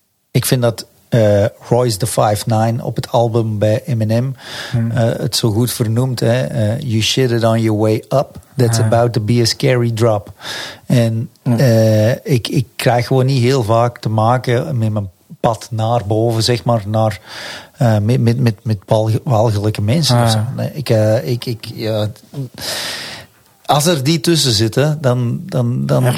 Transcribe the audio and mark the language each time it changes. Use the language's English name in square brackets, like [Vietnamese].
[Dutch] Ik vind dat Royce the 5'9 op het album bij Eminem het zo goed vernoemd. Hè? [English] You shit it on your way up. That's about to be a scary drop. [Dutch] En ik krijg gewoon niet heel vaak te maken met mijn pad naar boven, zeg maar, naar met walgelijke mensen. Ah. Of zo. Nee, als er die tussen zitten, dan